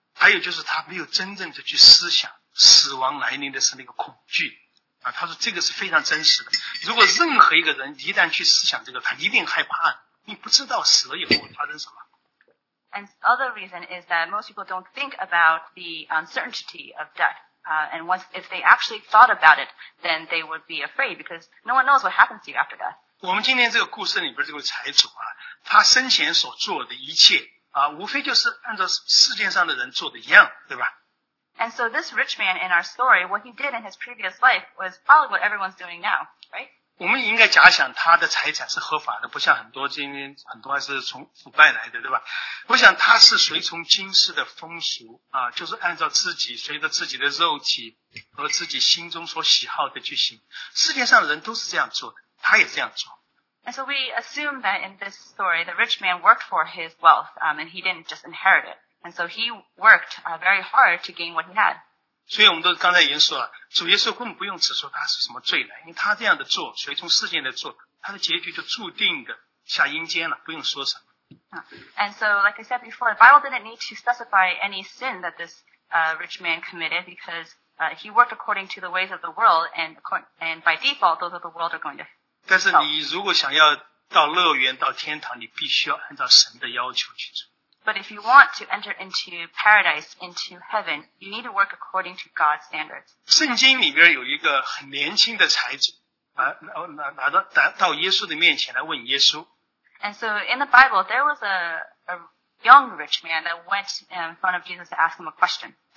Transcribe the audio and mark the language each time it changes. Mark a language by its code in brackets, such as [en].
[zh] 还有就是他没有真正的去思想死亡来临的是那个恐惧。他说这个是非常真实的。如果任何一个人一旦去思想这个他一定害怕，你不知道死了以后发生什么。 [en] And the other reason is that most people don't think about the uncertainty of death. And once, if they actually thought about it, then they would be afraid because no one knows what happens to you after death. [zh] 我们今天这个故事里边这个财主啊，他生前所做的一切啊，无非就是按照世界上的人做的一样，对吧？ [en] And so this rich man in our story, what he did in his previous life was probably what everyone's doing now, right? [zh] 我们应该假想他的财产是合法的，不像很多今天很多还是从腐败来的，对吧？我想他是随从今世的风俗啊，就是按照自己随着自己的肉体和自己心中所喜好的去行。世界上的人都是这样做的，他也这样做。 [en] And so we assume that in this story, the rich man worked for his wealth, and he didn't just inherit it. And so he worked very hard to gain what he had. [zh] 所以我们都刚才已经说了，主耶稣根本不用指出他是什么罪人，因为他这样的做，随从世间的做，他的结局就注定的下阴间了，不用说什么。 [en] And so, like I said before, the Bible didn't need to specify any sin that this rich man committed because he worked according to the ways of the world, and by default, those of the world are going to fall. [zh] 但是你如果想要到乐园、到天堂，你必须要按照神的要求去做。 [en] But if you want to enter into paradise, into heaven, you need to work according to God's standards. [zh] 圣经里边有一个很年轻的才子，拿到耶稣的面前来问耶稣。 [en] And so in the Bible, there was a young rich man that went in front of Jesus to ask him a question.